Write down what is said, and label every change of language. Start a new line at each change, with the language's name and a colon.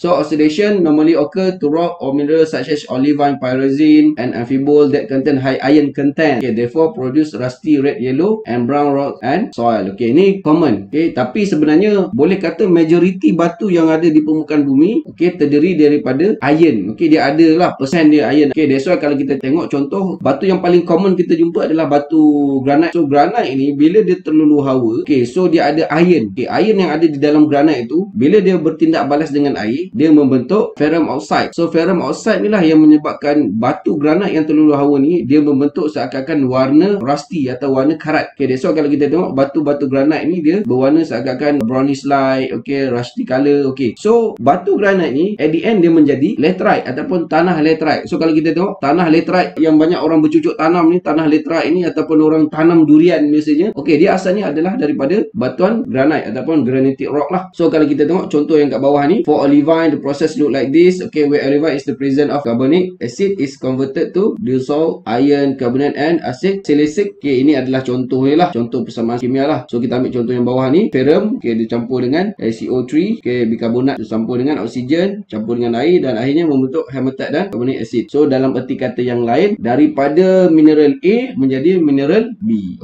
English: So oxidation normally occur to rock or mineral such as olivine, pyrazine and amphibole that contain high iron content. Okay, therefore produce rusty red, yellow and brown rock and soil.
Malay: Okay, ini common. Okay, tapi sebenarnya boleh kata majoriti batu yang ada di permukaan bumi, okay, terdiri daripada iron. Okay, dia adalah persen dia iron. Okay,
English: that's why
Malay: kalau kita tengok contoh batu yang paling common kita jumpa adalah batu granite. So granite ini bila dia terlulu hawa, okay, so dia ada iron. Okay, iron yang ada di dalam granite itu bila dia bertindak balas dengan air, dia membentuk ferrum oxide. So ferrum oxide inilah yang menyebabkan batu granite yang terlulu hawa ni, dia membentuk seakan-akan warna rusty atau warna karat. Okay,
English: that's why
Malay: kalau kita tengok batu-batu granite ni, dia berwarna seakan-akan brownish light, okay,
English: rusty color.
Malay: Okay, so batu granite ni
English: at the end
Malay: dia menjadi laterite ataupun tanah laterite. So kalau kita tengok tanah laterite yang banyak orang bercucuk tanam ni, tanah laterite ini ataupun orang tanam durian biasanya, okay, dia asalnya adalah daripada batuan granite ataupun granitic rock lah. So kalau kita tengok contoh yang kat bawah ni,
English: for olivine the process look like this. Okay, where olivine is the presence of carbonic acid is converted to dissolve iron carbonate and acid silicic.
Malay: Okay, ini adalah contoh ni lah, contoh persamaan kimia lah. So kita ambil contoh yang bawah ni, ferum, okay, dicampur dengan SCO3, okay, bicarbonat dicampur dengan oksigen, campur dengan air dan akhirnya membentuk hematite dan carbonic acid. So dalam erti kata yang lain, daripada mineral A menjadi mineral B.